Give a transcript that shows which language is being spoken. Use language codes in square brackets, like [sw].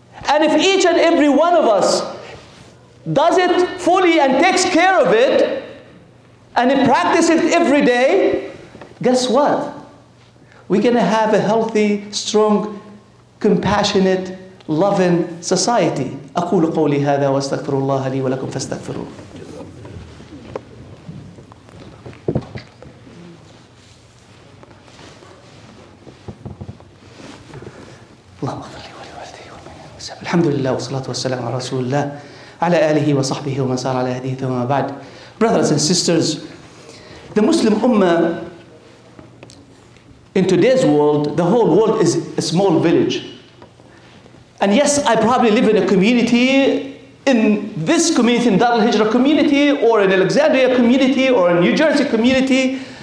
[en] And if each and every one of us does it fully and takes care of it, and practice it every day, guess what? We're gonna have a healthy, strong, compassionate, loving society. [ar] أقول قولي هذا واستغفر الله لي ولكم فاستغفروه. اللهم اغفر لي ولوالدي ومن الحمد لله والصلاة والسلام على رسول الله على آله وصحبه ومن سار على هديه ثم بعد. [en] Brothers and sisters, the Muslim Ummah In today's world, the whole world is a small village. And yes, I probably live in a community, in this community, in Dar al-Hijra community, or in Alexandria community, or in New Jersey community.